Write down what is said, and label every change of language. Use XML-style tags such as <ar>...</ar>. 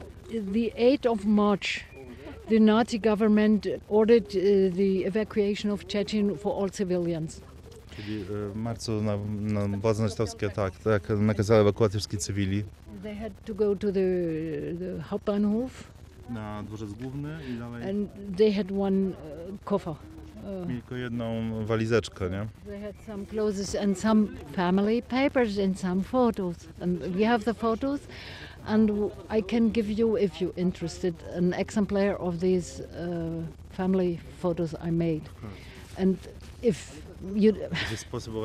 <en>The 8th of March, the Nazi government ordered the evacuation of Czechin for all civilians.</en> <pl>Czyli w marcu na władze nazistowskie, tak, nakazały ewakuację wszystkich cywili.</pl> <en>They had to go to the Hauptbahnhof.</en> <pl>Na dworzec główny i dalej.</pl> <en>And they had one koffer.</en> <pl>Mieli tylko jedną walizeczkę, nie?</pl> <en>They had some clothes and some family papers and some photos. And we have the photos. And I can give you, if you're interested, an exemplar of these family photos I made. And if is this possible?</en>